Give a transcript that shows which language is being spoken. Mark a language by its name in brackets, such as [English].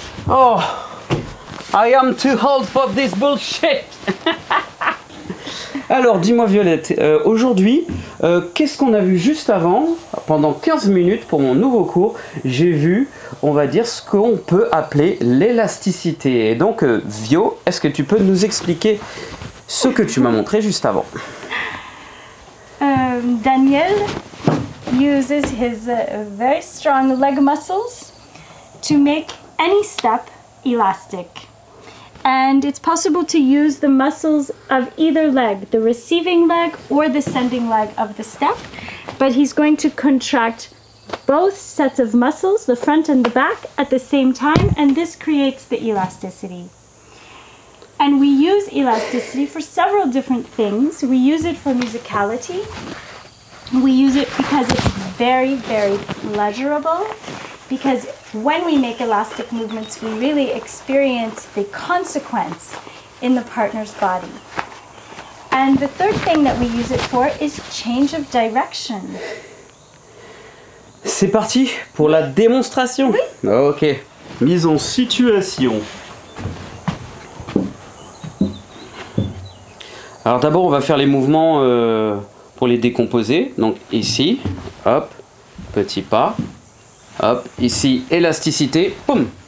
[English] Oh, I am too old for this bullshit. [French] Alors, dis-moi Violette, aujourd'hui, qu'est-ce qu'on a vu juste avant? Pendant 15 minutes pour mon nouveau cours, j'ai vu, on va dire, ce qu'on peut appeler l'élasticité. Et donc, Vio, est-ce que tu peux nous expliquer ce que tu m'as montré juste avant? [English] Daniel uses his very strong leg muscles to make any step elastic. And it's possible to use the muscles of either leg, the receiving leg or the sending leg of the step. But he's going to contract both sets of muscles, the front and the back, at the same time, and this creates the elasticity. And we use elasticity for several different things. We use it for musicality. We use it because it's very, very pleasurable. Because when we make elastic movements, we really experience the consequence in the partner's body. And the third thing that we use it for is change of direction. [French] C'est parti pour la démonstration. Oui. Ok, mise en situation. Alors d'abord, on va faire les mouvements pour les décomposer. Donc ici, hop, petit pas. Hop, ici, élasticité, poum.